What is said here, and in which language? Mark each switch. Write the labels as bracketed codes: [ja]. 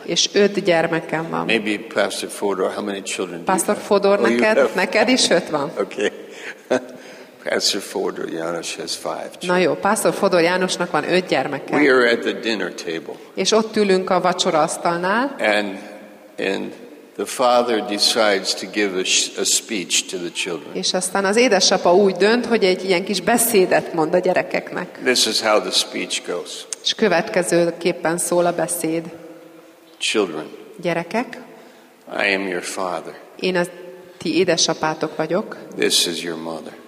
[hu] És 5 gyermekem van. [en] Maybe Pastor Fodor, how many children? [hu] Pastor Fodor, neked is 5 van. [en] Okay. Pastor Fodor János has 5 children. [hu] Na jó, Pastor Fodor Jánosnak van 5 gyermeke. [en] We are at the dinner table. [hu] És ott ülünk a vacsoraasztalnál. [en] And the father decides to give a speech to the children. [hu] És aztán az édesapa úgy dönt, hogy egy ilyen kis beszédet mond a gyerekeknek. [en] This is how the speech goes. [hu] És következőképpen szól a beszéd. [en] Children. [hu] Gyerekek. [en] I am your father. [hu] Én a ti édesapátok vagyok. [en] This is your mother.